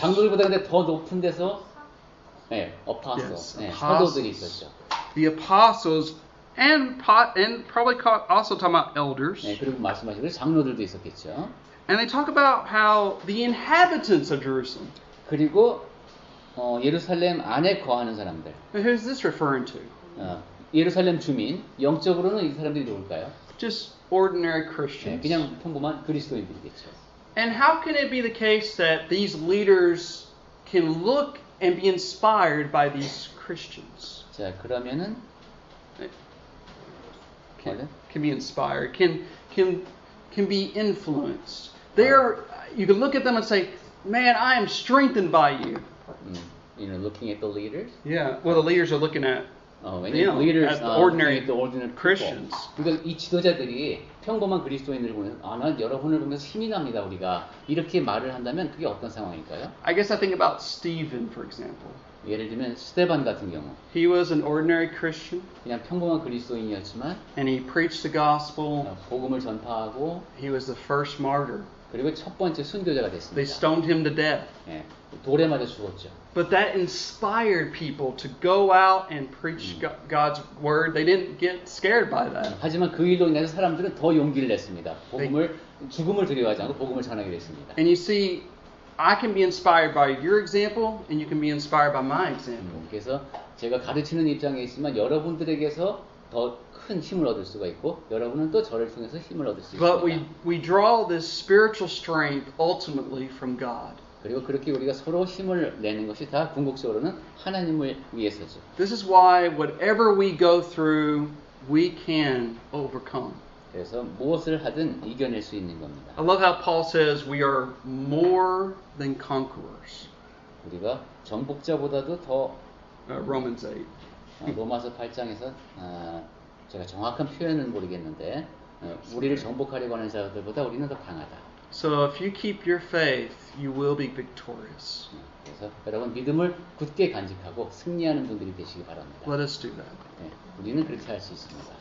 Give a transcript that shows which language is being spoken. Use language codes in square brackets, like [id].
[ko] 장로들보다 근데 더 높은 데서 예, 네, 어파서. [en] Yes, [ko] 네, 사도들이 있었죠. [en] The apostles and probably also talking about elders. [ko] 네, 그리고 말씀하시는 장로들도 있었겠죠. [en] And they talk about how the inhabitants of Jerusalem. [ko] 그리고 예루살렘 안에 거하는 사람들. [en] Who is this referring to? [ko] 예루살렘 주민. 영적으로는 이 사람들이 누굴까요? [en] Just ordinary Christians. [ko] 네, 그냥 평범한 그리스도인들이겠죠. [en] And how can it be the case that these leaders can look and be inspired by these Christians? [ko] 자, 그러면은 [en] can be inspired, can be influenced. They are. You can look at them and say, "Man, I am strengthened by you." You know, looking at the leaders. Yeah. Well, the leaders are looking at. Leaders, as the ordinary Christians. [ko] 그러니까 이 지도자들이 평범한 그리스도인들 보면 아, 난 여러분을 보면서 힘이 납니다 우리가 이렇게 말을 한다면 그게 어떤 상황일까요? [en] I guess I think about Stephen, for example. [ko] 예를 들면 스테반 같은 경우. [en] He was an ordinary Christian. [ko] 그냥 평범한 그리스도인이었지만. [en] And he preached the gospel. [ko] 복음을 전파하고. [en] He was the first martyr. [ko] 그리고 첫 번째 순교자가 됐습니다. [en] They stoned him to death. [ko] 예. 돌에 맞아 죽었죠. [en] But that inspired people to go out and preach God's word. They didn't get scared by that. [ko] 하지만 그 일로 인해서 사람들은 더 용기를 냈습니다. 복음을 죽음을 두려워하지 않고 복음을 전하게 됐습니다. [en] And you see, I can be inspired by your example, and you can be inspired by my example. [ko] 그래서 제가 가르치는 입장에 있지만 여러분들에게서 더 큰 힘을 얻을 수가 있고 여러분은 또 저를 통해서 힘을 얻을 수 있습니다. [en] But we draw this spiritual strength ultimately from God. [ko] 그리고 그렇게 우리가 서로 힘을 내는 것이 다 궁극적으로는 하나님을 위해서죠. [en] This is why whatever we go through, we can overcome. [ko] 그래서 무엇을 하든 이겨낼 수 있는 겁니다. [en] I love how Paul says we are more than conquerors. [ko] 우리가 정복자보다도 더 [en] Romans 8. [ko] 로마서 8장에서 제가 정확한 표현은 모르겠는데 우리를 정복하려고 하는 자들보다 우리는 더 강하다. [en] So if you keep your faith, you will be victorious. [ko] 그래서 여러분 믿음을 굳게 간직하고 승리하는 분들이 되시기 바랍니다. [en] Let us do that. [ko] 우리는 그렇게 할 수 있습니다.